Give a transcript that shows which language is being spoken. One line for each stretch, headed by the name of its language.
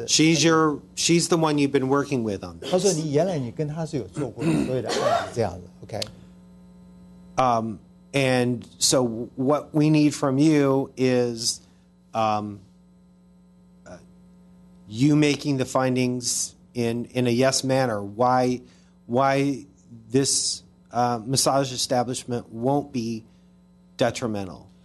English: She's the one you've been working with on this.
Chinese: 他说你原来你跟他是有做过所有的案子这样子 ，OK。
English: And so what we need from you is, you making the findings in a yes manner, why this massage establishment won't be detrimental.